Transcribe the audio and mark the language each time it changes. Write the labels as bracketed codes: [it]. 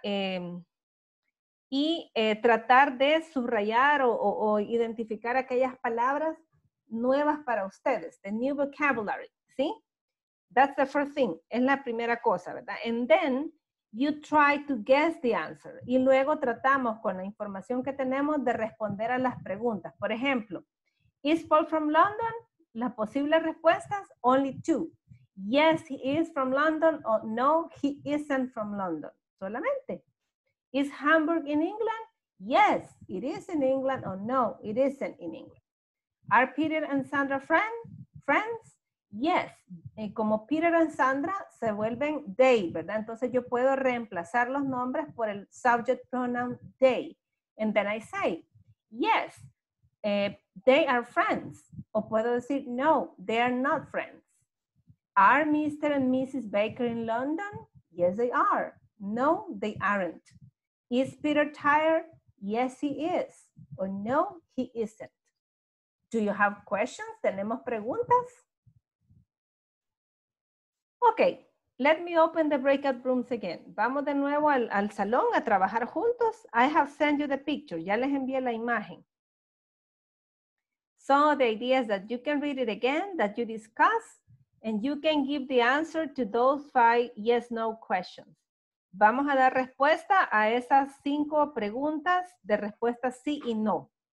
[es] Y tratar de subrayar o identificar aquellas palabras nuevas para ustedes, [en] the new vocabulary, [es] ¿sí? [en] That's the first thing, [es] es la primera cosa, ¿verdad? [en] And then you try to guess the answer. [es] Y luego tratamos con la información que tenemos de responder a las preguntas. Por ejemplo, [en] is Paul from London? [es] Las posibles respuestas, [en] only 2. Yes, he is from London, or no, he isn't from London. Solamente. Is Hamburg in England? Yes, it is in England, or no, it isn't in England. Are Peter and Sandra friends? Yes. [es] Y como Peter and Sandra se vuelven they, ¿verdad? Entonces yo puedo reemplazar los nombres por el subject pronoun they. [en] And then I say, yes, they are friends. [es] O puedo decir, [en] no, they are not friends. Are Mr. and Mrs. Baker in London? Yes, they are. No, they aren't. Is Peter tired? Yes, he is. Or no, he isn't. Do you have questions? [es] ¿Tenemos preguntas? [en] Okay, let me open the breakout rooms again. [es] Vamos de nuevo al salón a trabajar juntos. [en] I have sent you the picture. [es] Ya les envié la imagen. [en] So the idea is that you can read it again, that you discuss, and you can give the answer to those 5 yes-no questions. [es] Vamos a dar respuesta a esas 5 preguntas de respuesta sí y no.